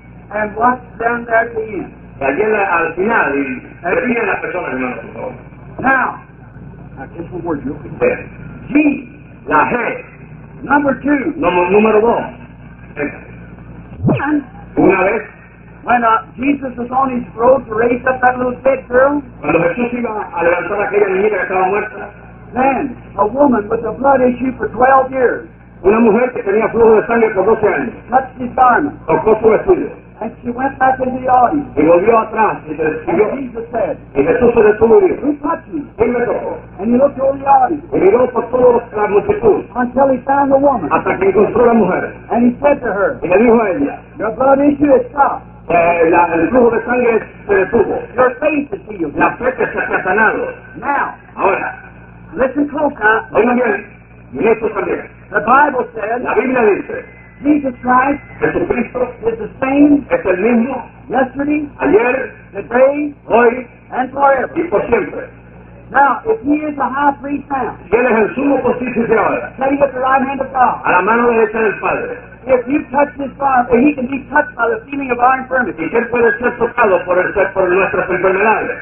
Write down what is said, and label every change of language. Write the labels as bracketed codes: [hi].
[en] and walk down there to the end. [es] Y allí al final, y repiten las personas, hermanos, por favor. [en] Now, I guess the word you'll be there. G, [es] la G, [en] number two, [es] número dos. [en] And [es] una vez, [en] when Jesus was on his road to raise up that little dead girl, [es] cuando Jesús iba a levantar a aquella niña que estaba muerta, [en] then, a woman with a blood issue for 12 years. [es] Una mujer que tenía flujo de sangre por 12 años. [en] Touched his garment. [es] Tocó su vestido. [en] And she went back into the audience. [es] Y volvió atrás. Y despidió. [en] Jesus said. [es] Y Jesús se detuvo y dijo. [en] Who touched me? [es] ¿Quién me tocó? [en] And he looked over the audience. [es] Y miró por toda la multitud. [en] Until he found the woman. [es] Hasta que encontró la mujer. [en] And he said to her. [es] Y le dijo a ella. [en] Your blood issue has stopped. [es] El flujo de sangre se detuvo. [en] Your faith is healed. [es] La fe que se ha sanado. [en] Now. [es] Ahora. [en] Listen close, [es] huh? Bien. [en] The Bible says, [es] la Biblia dice, [en] Jesus Christ, [es] Jesucristo, [en] is the same, [es] es el mismo, [en] yesterday, [es] ayer, [en] today, [es] hoy, [en] and forever. [es] Y por siempre. [en] Now, if he is the high priest now, [es] ¿quién es el sumo pontífice ahora? [en] Standing at the right hand of God. [es] A la mano derecha del Padre. [en] If you touch his body, he can be touched by the feeling of our infirmity. [es] ¿Y quién puede ser tocado por nuestras enfermedades?